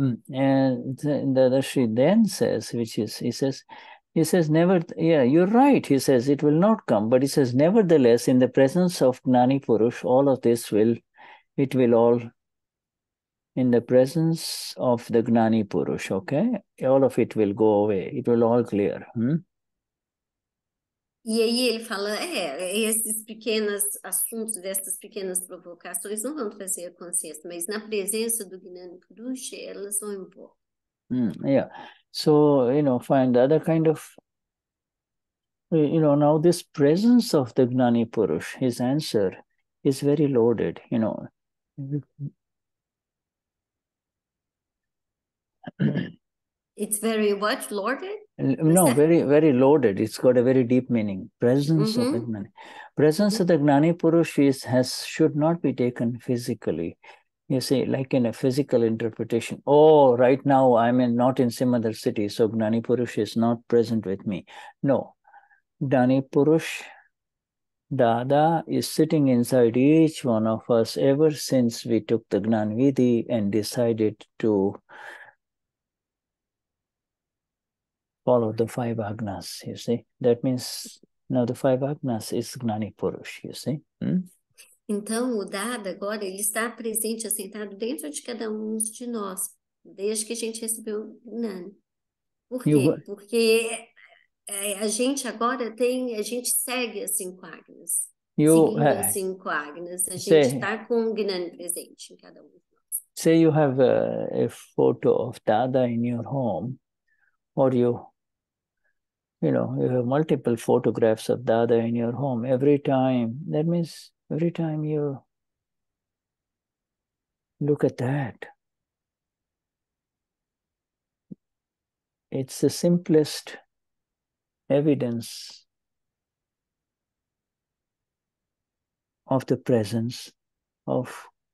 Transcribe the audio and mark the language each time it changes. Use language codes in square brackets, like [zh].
[en] Dadashri then says, you're right, he says, it will not come, but he says, nevertheless, in the presence of Gnani Purush, all of this will, it will all, in the presence of the Gnani Purush, okay, all of it will go away, it will all clear, [pt] E aí ele fala, esses pequenos assuntos, dessas pequenas provocações não vão trazer a consciência, mas na presença do Gnani Purush, elas vão embora. [en] So, you know, find other kind of, you know, now this presence of the Gnani Purush, his answer is very loaded, you know. It's very what, loaded? No, very, very loaded. It's got a very deep meaning. Presence of the Gnani. Presence of the Gnani Purush should not be taken physically. You see, like in a physical interpretation. Oh, right now I'm not in Simadar city, so Gnani Purush is not present with me. No. Gnani Purush, Dada, is sitting inside each one of us ever since we took the Gnanvidhi and decided to follow the five agnas, you see. That means, now the five agnas is Gnani Purush, you see. [pt] Então, o Dada agora, ele está presente, assentado dentro de cada um de nós, desde que a gente recebeu o Gnani. Por quê? Porque a gente agora tem, a gente segue as cinco agnas. Seguindo as cinco agnas, a gente está com o Gnani presente em cada um de nós. [en] Say you have a photo of Dada in your home, or you have multiple photographs of Dada in your home every time. That means every time you look at that, it's the simplest evidence of the presence of